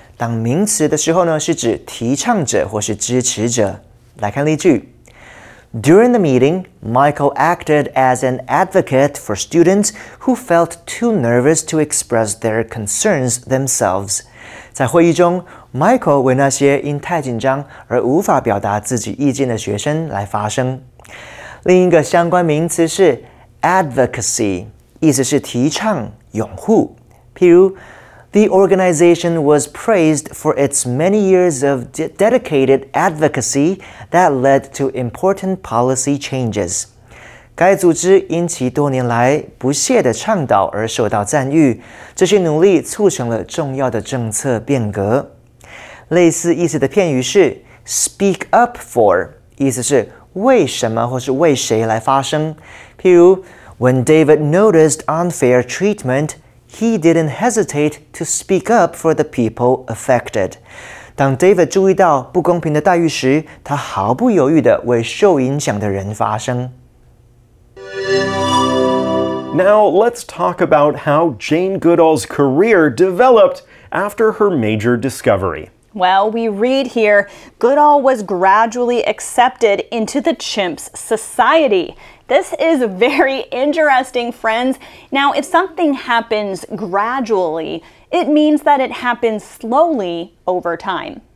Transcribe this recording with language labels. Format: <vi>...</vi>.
<zh>当名词的时候呢，是指提倡者或是支持者。来看例句。</zh> <en>During the meeting, Michael acted as an advocate for students who felt too nervous to express their concerns themselves.</en> <zh>在会议中， Michael 为那些因太紧张而无法表达自己意见的学生来发声。另一个相关名词是 advocacy，意思是提倡、拥护。</zh> <en>譬如 ,The organization was praised for its many years of dedicated advocacy that led to important policy changes.</en> <zh>该组织因其多年来不懈的倡导而受到赞誉，这些努力促成了重要的政策变革。类似意思的片语是 ,speak up for, 意思是为什么或是为谁来发声。</zh> <en>譬如When David noticed unfair treatment, he didn't hesitate to speak up for the people affected.</en> <zh>当 David 注意到不公平的待遇时，他毫不犹豫地为受影响的人发声。</zh> <en>Now let's talk about how Jane Goodall's career developed after her major discovery. Well, we read here, Goodall was gradually accepted into the chimps' society. This is very interesting, friends. Now, if something happens gradually, it means that it happens slowly over time.</en>